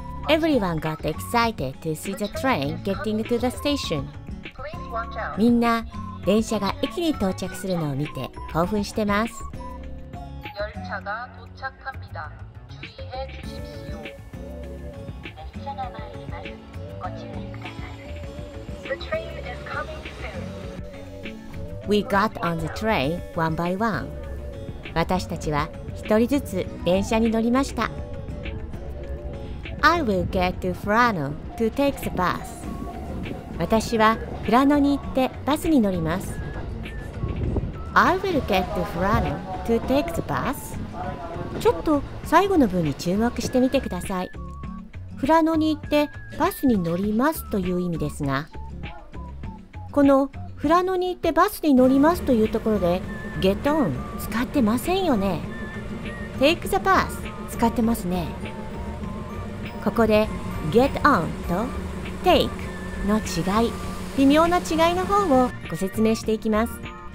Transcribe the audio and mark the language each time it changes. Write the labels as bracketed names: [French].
[English] Everyone got excited to see the train getting to the station. [Japanese] みんな電車が駅に到着するのを見て興奮してます。 [Korean] 열차가도착합니다。 注意해주십시오。 [Japanese] 列車が参ります。ご注意ください。 [English] The train is coming soon. We got on the train one by one. [Japanese] 私たちは一人ずつ電車に乗りました。 [English] I will get to Furano to take the bus. [Japanese] 私はフラノに行ってバスに乗ります。 [English] I will get to Furano to take the bus. [Japanese] ちょっと最後の文に注目してみてください。フラノに行ってバスに乗りますという意味ですが、このフラノに行ってバスに乗りますというところで [English] get on [Japanese] 使ってませんよね。 [English] take the bus [Japanese] 使ってますね。ここで [English] get on [Japanese] と take の違い、微妙な違いの方をご説明していきます。